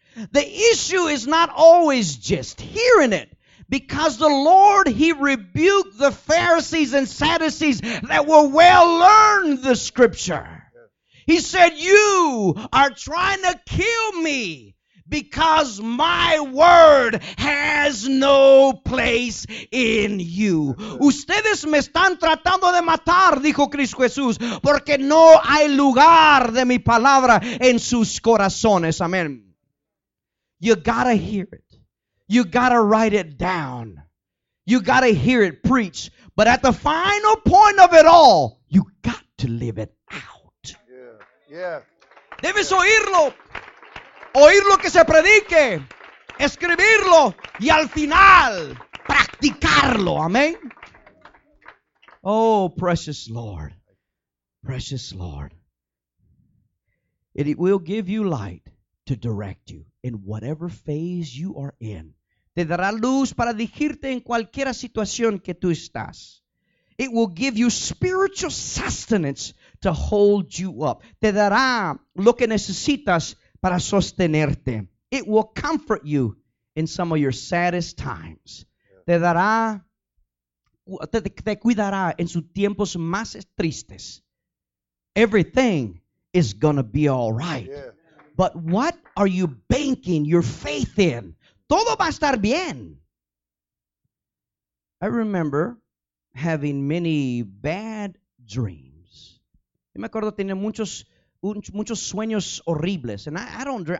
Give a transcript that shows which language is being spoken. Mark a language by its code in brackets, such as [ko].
[en] The issue is not always just hearing it, because the Lord, He rebuked the Pharisees and Sadducees that were well learned the scripture. He said, "You are trying to kill me because my word has no place in you." [es] Ustedes me están tratando de matar, dijo Cristo Jesús, porque no hay lugar de mi palabra en sus corazones. [en] Amen. You gotta hear it. You gotta write it down. You gotta hear it preach. But at the final point of it all, you got to live it out. Yeah. [es] Debes oírlo. Oír lo que se predique, escribirlo, y al final, practicarlo. Amén. [en] Oh, precious Lord. Precious Lord. It will give you light to direct you in whatever phase you are in. [es] Te dará luz para dirigirte en cualquier situación que tú estás. [en] It will give you spiritual sustenance to hold you up. [es] Te dará lo que necesitas para sostenerte. [en] It will comfort you in some of your saddest times. [es] Te dará, te cuidará en sus tiempos más tristes. [en] Everything is gonna be all right. Yeah. But what are you banking your faith in? [es] Todo va a estar bien. [en] I remember having many bad dreams. [es] Yo me acuerdo tener muchos sueños horribles. [en] And I don't dream.